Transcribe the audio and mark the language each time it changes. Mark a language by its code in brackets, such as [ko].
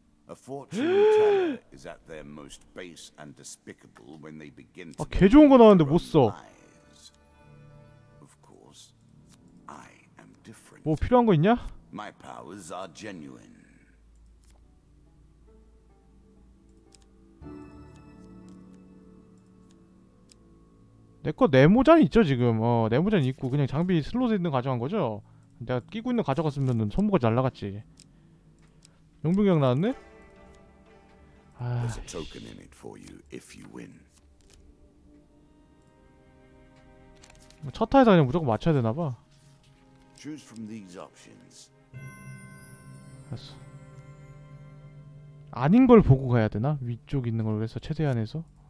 [en] A fortune teller is at their most base and despicable when they begin to. [ko] 아, 개 좋은 거 나왔는데 못 써. [en] Of course, I am different. [ko] 뭐 필요한 거 있냐? [en] My powers are genuine. [ko] 내 거 네모잔 있죠 지금. 어, 네모잔 있고 그냥 장비 슬롯에 있는 가져간 거죠. 내가 끼고 있는 가져갔으면은 손목이 날라갔지. 용병력 나왔네. [en] There's a token in it for you if you win. [ko] 첫 타에서 그냥 무조건 맞춰야 되나 봐. [en] Choose from these options. [ko] 됐어. 아닌 걸 보고 가야 되나? 위쪽 있는 걸 위해서 최대한에서.